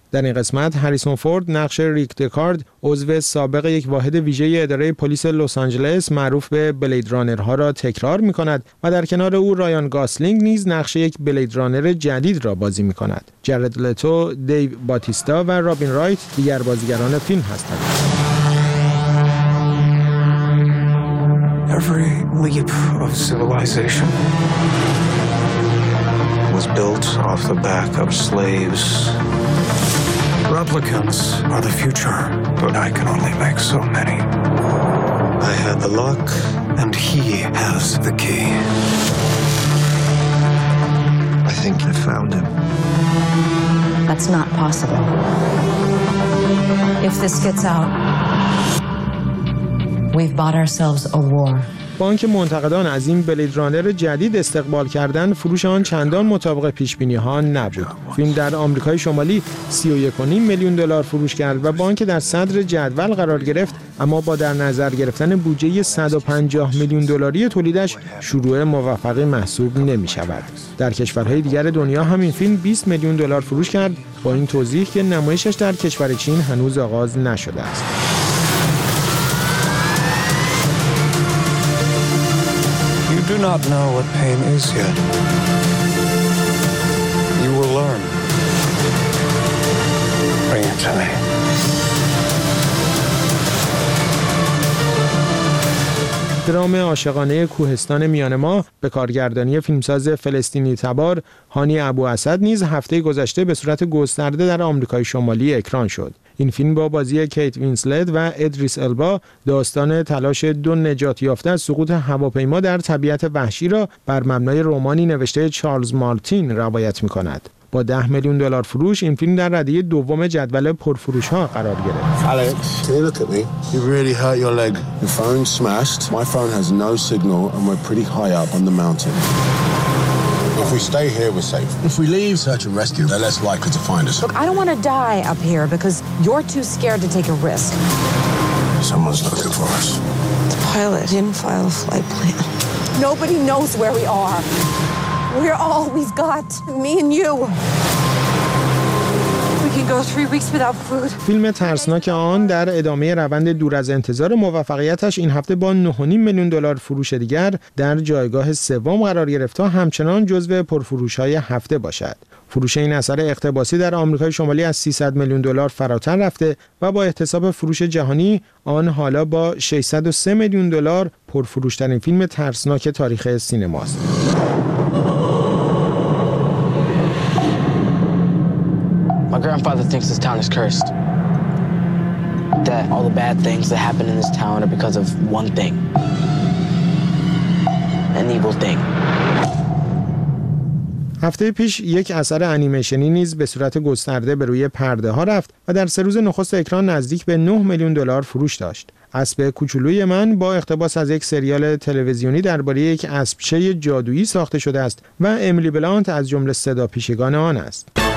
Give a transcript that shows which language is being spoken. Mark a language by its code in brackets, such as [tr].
[fa] در این قسمت هریسون فورد نقش ریک دکارد، عضو سابق یک واحد ویژه اداره پلیس لس آنجلس معروف به بلید رانرها را تکرار می‌کند و در کنار او رایان گاسلینگ نیز نقش یک بلید رانر جدید را بازی می‌کند. جرد لتو، دیو باتیستا و رابین رایت دیگر بازیگران فیلم هستند. [en] Every leap of civilization was built off the back of slaves. Replicants are the future, but I can only make so many. I had the lock, and he has the key. I think I found him. That's not possible. If this gets out, we've bought ourselves a war. [fa] با اینکه منتقدان از این بلید رانر جدید استقبال کردن، فروش آن چندان مطابق پیشبینی ها نبود. فیلم در آمریکای شمالی 31.5 میلیون دلار فروش کرد و با اینکه در صدر جدول قرار گرفت، اما با در نظر گرفتن بودجه 150 میلیون دلاری تولیدش شروع موفقی محسوب نمی شود. در کشورهای دیگر دنیا هم این فیلم 20 میلیون دلار فروش کرد، با این توضیح که نمایشش در کشور چین هنوز آغاز نشده است. [en] You do not know what pain is yet. You will learn. Bring it to me. [fa] درام عاشقانه کوهستان میان ما به کارگردانی فیلمساز فلسطینی تبار هانی ابو اسد نیز هفته گذشته به صورت گسترده در آمریکای شمالی اکران شد. این فیلم با بازی کیت وینسلت و ادریس البا داستان تلاش دو نجات یافته از سقوط هواپیما در طبیعت وحشی را بر مبنای رمانی نوشته چارلز مارتین روایت می‌کند. با 10 میلیون دلار فروش این فیلم در رده دوم جدول پرفروش ها قرار گرفت. [en] Alex, can you look at me? You really hurt your leg. Your phone smashed. My phone has no signal and we're pretty high up on the mountain. If we stay here we're safe. If we leave search and rescue they're less likely to find us. Look, I don't want to die up here because you're too scared to take a risk. Someone's looking for us. The pilot didn't file a flight plan. Nobody knows where we are. We're all we've got, me and you. [fa] فیلم ترسناک آن در ادامه روند دور از انتظار موفقیتش این هفته با 9.5 میلیون دلار فروش دیگر در جایگاه سوم قرار گرفت تا همچنان جزو پرفروش های هفته باشد. فروش این اثر اقتباسی در آمریکای شمالی از 300 میلیون دلار فراتر رفته و با احتساب فروش جهانی آن حالا با 603 میلیون دلار پرفروشترین فیلم ترسناک تاریخ سینماست. [en] My grandfather thinks this town is cursed. That all the bad things that happen in this town are because of one thing. An evil thing. [fa] هفته پیش یک اثر انیمیشنی نیز به صورت گسترده به روی پرده ها رفت و در 3 روز نخست اکران نزدیک به 9 میلیون دلار فروش داشت. اسب کوچولوی من با اقتباس از یک سریال تلویزیونی درباره یک اسبچه جادویی ساخته شده است و امیلی بلانت از جمله صدا پیشگان آن است.